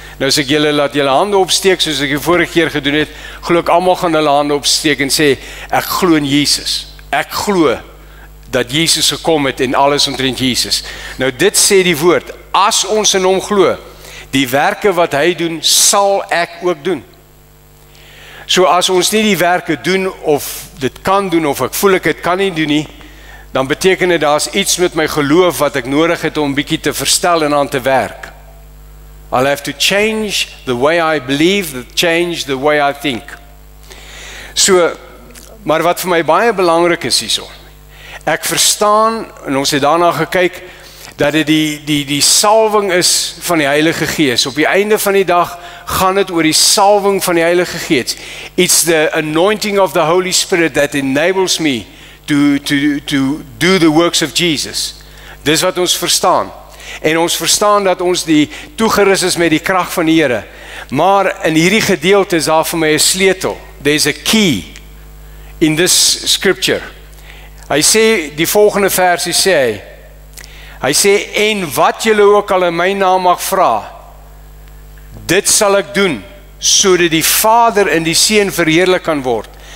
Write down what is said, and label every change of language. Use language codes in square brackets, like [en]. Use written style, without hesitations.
[af] Nou as ek julle laat julle hande opsteek, soos ek die vorige keer gedoen het, glo ek almal gaan hulle hande opsteek en sê, ek glo in Jesus. Ek glo dat Jesus gekom het en alles omtrent Jesus. Nou dit sê die woord, as ons in hom glo, die werke wat hy doen, sal ek ook doen. So as ons nie die werke doen, of dit kan doen, of ek voel ek het kan nie doen nie, dan beteken dit daar is iets met my geloof wat ek nodig het om bietjie te verstel en aan te werk. [en] I'll have to change the way I believe, change the way I think. [af] So, maar wat vir my baie belangrik is hierso, ek verstaan, en ons het daarna gekyk, dat dit die salwing is van die Heilige Gees. Op die einde van die dag gaan dit oor die salwing van die Heilige Gees. [en] It's the anointing of the Holy Spirit that enables me to do the works of Jesus. [af] Dis wat ons verstaan. En ons verstaan dat ons die toegerus is met die krag van die Here. Maar in hierdie gedeelte is daar vir my 'n sleutel. [en] There's a key in this scripture. [af] Hy sê, die volgende versie sê hy, hy sê, en wat julle ook al in my naam mag vra, dit sal ek doen, sodat die Vader en die Seun verheerlik kan word.